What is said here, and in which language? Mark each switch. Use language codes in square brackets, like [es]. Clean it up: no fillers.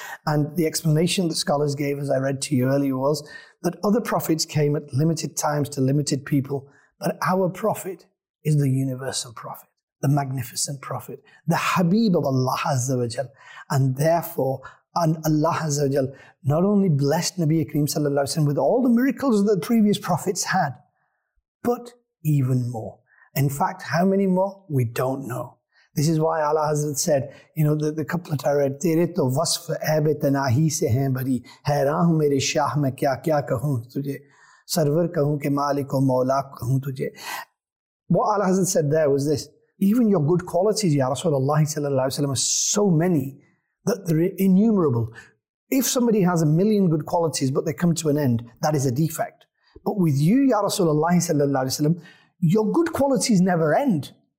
[en] And the explanation the scholars gave, as I read to you earlier, was that other prophets came at limited times to limited people, but our Prophet is the universal Prophet, the magnificent Prophet, the Habib of Allah Azza wa Jal. And therefore, and Allah Azza wa Jal not only blessed Nabi Akram sallallahu alayhi wa sallam with all the miracles that the previous prophets had, but even more. In fact, how many more? We don't know. This is why Allah Azza wa Jal said, you know, the couplet I read, [ur] تیرے تو وصف عیبِ تناہی سے ہیں بری، حیران ہوں میرے شاہ میں کیا کیا کہوں تجھے، سرور کہوں کہ مالک و مولا کہوں تجھے. [en] What Allah Azza wa Jal said there was this: even your good qualities, Ya Rasulullah sallallahu alayhi wa sallam, are so many that they're innumerable. If somebody has a million good qualities but they come to an end, that is a defect. But with you, Ya Rasulullah sallallahu alayhi wa sallam, your good qualities never end.